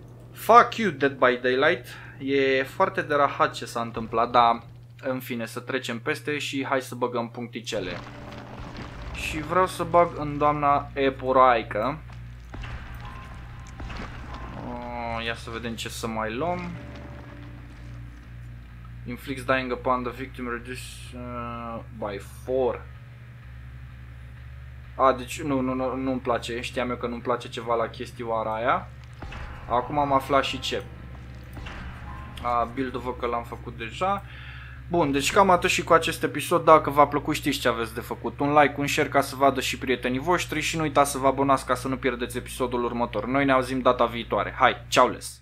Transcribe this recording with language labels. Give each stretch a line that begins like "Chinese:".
English: Fuck you, Dead by Daylight.
Romanian: E foarte de rahat ce s-a întâmplat, dar în fine, să trecem peste și hai să băgăm puncticele. Și vreau să bag în doamna Epuraica. Ia să vedem ce să mai luăm.
English: Inflicts dying upon the victim reduced by 4.
Romanian: A, deci nu-mi place. Știam eu că nu-mi place ceva la chestioara aia. Acum am aflat și ce. A, build-ul văd că l-am făcut deja. Bun, deci cam atât și cu acest episod. Dacă v-a plăcut, știți ce aveți de făcut. Un like, un share ca să vadă și prietenii voștri și nu uitați să vă abonați ca să nu pierdeți episodul următor. Noi ne auzim data viitoare. Hai, ciao les!